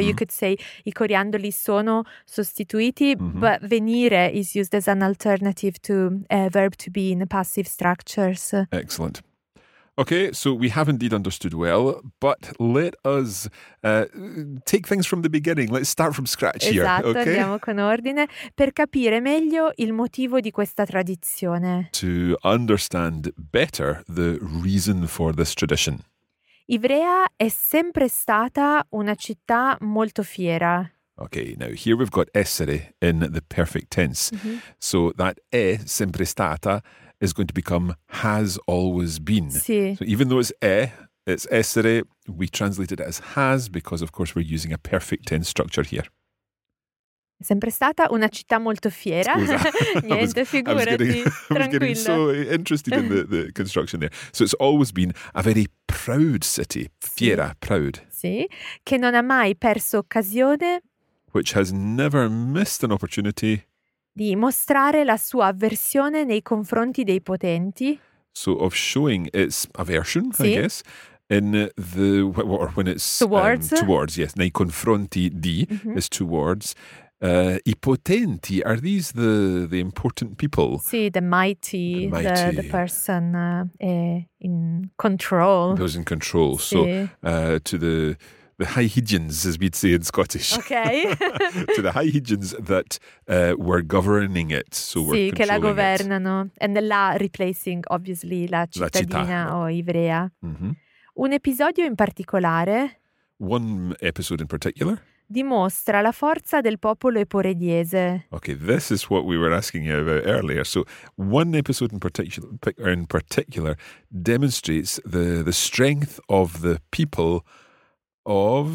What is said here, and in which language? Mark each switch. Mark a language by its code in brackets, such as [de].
[en] you could say [it] i coriandoli sono sostituiti, [en] mm-hmm. but venire is used as an alternative to verb to be in passive structures. Excellent. Okay, so we have indeed understood well, but let us take things from the beginning. Let's start from scratch [it] esatto, [en] here. [it] Esatto, [en] okay? [it] Andiamo con ordine per capire meglio il motivo di questa tradizione. [en] To understand better the reason for this tradition. [it] Ivrea è sempre stata una città molto fiera. [en] Okay, now here we've got essere in the perfect tense. Mm-hmm. So that [it] è sempre stata [en] is going to become has always been. Sì. So even though it's è, it's essere, we translate it as has because of course we're using a perfect tense structure here. [it] È sempre stata una città molto fiera. Niente, [en] I was getting so interested in the construction there. So it's always been a very proud city, fiera, [it] sì. [en] proud. [it] Sì, che non ha mai perso occasione. [en] Which has never missed an opportunity [it] di mostrare la sua avversione nei confronti dei potenti. [en] So of showing its aversion, sì. I guess, in the or when it's towards, towards yes, nei confronti di mm-hmm. is towards. I potenti, are these the important people? Sì, the mighty person in control. Those in control. [it] Sì. [en] So to the. The high hygiens, as we'd say in Scottish. Okay. To the high hygiens that were governing it. So [it] sì, [en] we're controlling [it] che la governano. [en] It. And la replacing, obviously, la cittadina o Ivrea. Mm-hmm. [it] Un episodio in particolare. [en] One episode in particular. [it] Dimostra la forza del popolo eporediese. [en] Okay, this is what we were asking you about earlier. So one episode in particular demonstrates the strength of the people of